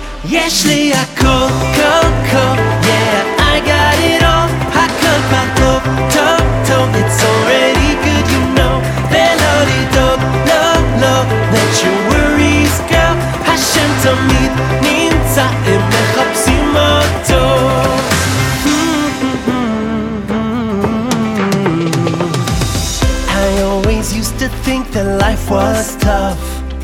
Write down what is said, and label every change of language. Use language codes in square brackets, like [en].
[he] יש לי הכל, כל, כל, [en] yeah, I got it all. [he] הכל כבר טוב, טוב, טוב, [en] it's already good, you know. [he] ולא לדאוג, לא, לא, [en] let your worries go. [he] השם תמיד נמצא, הם מחפשים אותו. [en] I always used to think that life was tough.